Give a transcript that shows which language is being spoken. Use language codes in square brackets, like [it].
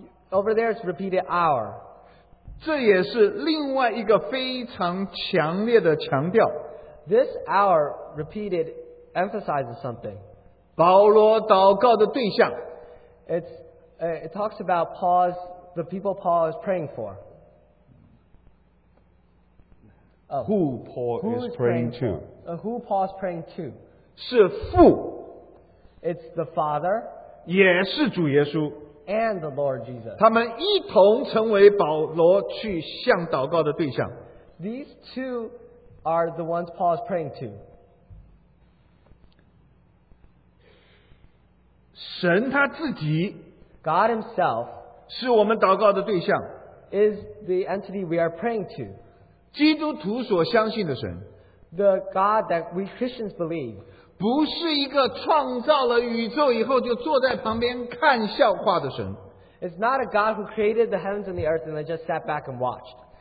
[en] over there it's repeated our. [zh] 这也是另外一个非常强烈的强调, [en] this our repeated emphasizes something. [zh] 保罗祷告的对象, [en] it talks about Paul's, the people Paul is praying for. Who Paul is praying to? Who Paul is praying to? [zh] 是父, [en] it's the Father, [zh] 也是主耶稣, [en] and the Lord Jesus. [zh] 他们一同成为保罗去向祷告的对象. [en] These two are the ones Paul is praying to. [zh] 神他自己, [en] God Himself, [zh] 是我们祷告的对象, [en] is the entity we are praying to. [zh] 基督徒所相信的神, [en] the God that we Christians believe, [zh] 不是一个创造了宇宙以后就坐在旁边看笑话的神, [en] it's not a God who created the heavens and the earth and then just sat back and watched.